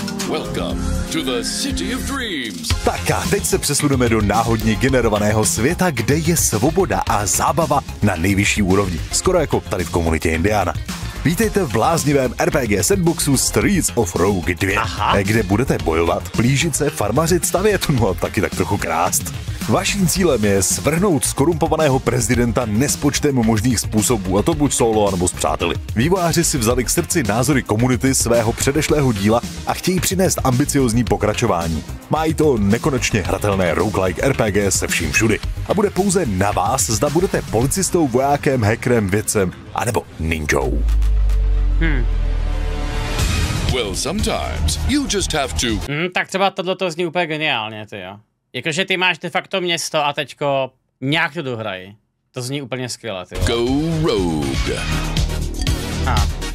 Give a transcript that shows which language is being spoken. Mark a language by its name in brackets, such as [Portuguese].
[English] Welcome to the City of Dreams. [Czech] Tak a teď se přesuneme do náhodně generovaného světa, kde je svoboda a zábava na nejvyšší úrovni, skoro jako tady v komunitě Indiana. Vítejte v bláznivém RPG sandboxu Streets of Rogue 2, aha, kde budete bojovat, plížit se, farmařit, stavět, no a taky tak trochu krást. Vaším cílem je svrhnout zkorumpovaného prezidenta nespočtem možných způsobů, a to buď solo, anebo s přáteli. Vývojáři si vzali k srdci názory komunity svého předešlého díla a chtějí přinést ambiciozní pokračování. Mají to nekonečně hratelné roguelike RPG se vším všudy. A bude pouze na vás, zda budete policistou, vojákem, hackerem, vědcem, anebo ninjou. [English] Well, sometimes you just have to... [Czech] tak třeba tohleto zní úplně geniálně, ty jo. Jakože ty máš de facto město a teďko nějak to dohraj. To zní úplně skvěle, ty jo. [English] Go rogue. [Czech] A.